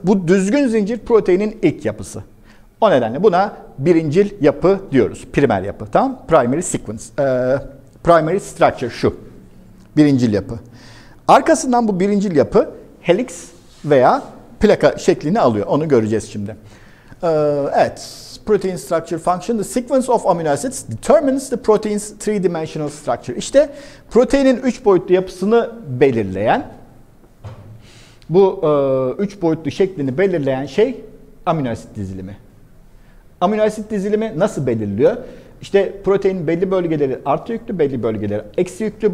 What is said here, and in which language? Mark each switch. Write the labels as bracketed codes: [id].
[tr] Bu düzgün zincir proteinin ilk yapısı. O nedenle buna birincil yapı diyoruz. Primer yapı, tamam? [en] Primary sequence. Primary structure [tr] şu. Birincil yapı. Arkasından bu birincil yapı helix veya plaka şeklini alıyor. Onu göreceğiz şimdi. Evet. [en] Protein structure function, the sequence of amino acids determines the protein's three-dimensional structure. [tr] İşte proteinin 3 boyutlu yapısını belirleyen, bu 3 boyutlu şeklini belirleyen şey amino asit dizilimi. Amino asit dizilimi nasıl belirliyor? İşte proteinin belli bölgeleri artı yüklü, belli bölgeleri eksi yüklü.